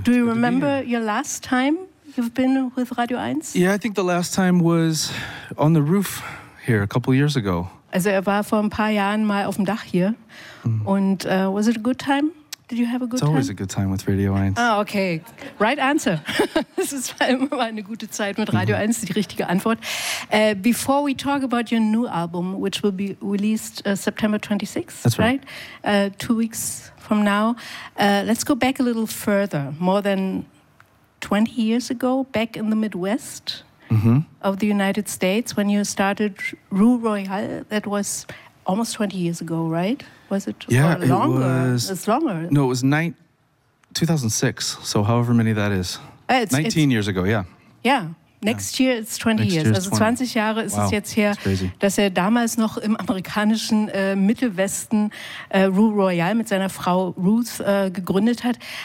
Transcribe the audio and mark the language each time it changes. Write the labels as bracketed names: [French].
[English] Do you remember your last time you've been with Radio 1? Yeah, I think the last time was on the roof here a couple years ago. [German] Also er war vor ein paar Jahren mal auf dem Dach hier. [English] Und was it a good time? Did you have a good time? It's always a good time with Radio 1. Ah, okay. Right answer. [German] Es ist immer eine gute Zeit mit Radio 1, die richtige Antwort. [English] Before we talk about your new album, which will be released September 26th, that's right? 2 weeks from now. Let's go back a little further, more than 20 years ago, back in the Midwest. Mm-hmm. Of the United States when you started Rue Royale, that was almost 20 years ago, right? Was it? Yeah, longer? It was. It's longer. No, it was 2006, so however many that is. 19 years ago, yeah. Yeah. Next year it's 20 years. [German] Also 20 Jahre ist es jetzt her, dass er damals noch im amerikanischen Mittelwesten Rue Royale mit seiner Frau Ruth gegründet hat.